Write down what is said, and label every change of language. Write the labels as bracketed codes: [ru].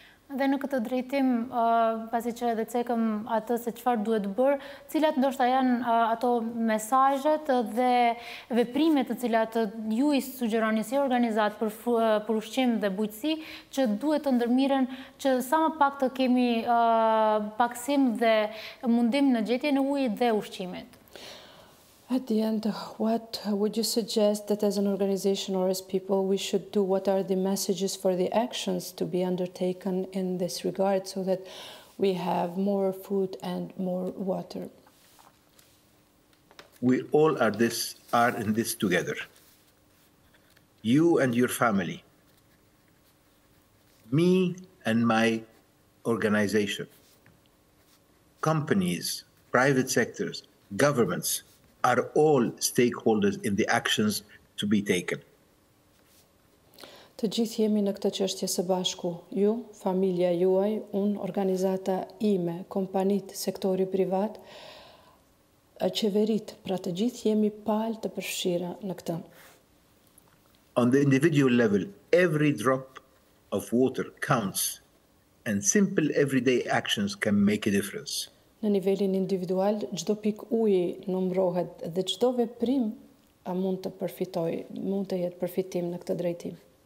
[sq] Dhe në këtë drejtim, pasi që edhe cekëm atë se çfarë duhet bërë, cilat ndoshta janë ato mesazhet dhe veprimet të cilat ju I sugjeroni si organizatë për ushqim dhe bujqësi, që duhet të ndërmiren që sa më pak të kemi paksim dhe mundim në gjetjen e ujit dhe ushqimit? [en] At the end, what would you suggest that as an organization or as people we should do? What are the messages for the actions to be undertaken in this regard so that we have more food and more water? We all are in this together. You and your family. Me and my organization. Companies, private sectors, governments, are all stakeholders in the actions to be taken. [sq] Të gjithë jemi në këtë çështje së bashku, ju, familja juaj, unë, organizata ime, kompanitë, sektori privat, qeverit, pra të gjithë jemi palë të përfshira në këtë. [en] On the individual level, every drop of water counts, and simple everyday actions can make a difference. [sq] Në nivelin individual, çdo pikë uji numërohet dhe çdo veprim mund të përfitoj, mund të jetë përfitim në këtë drejtim.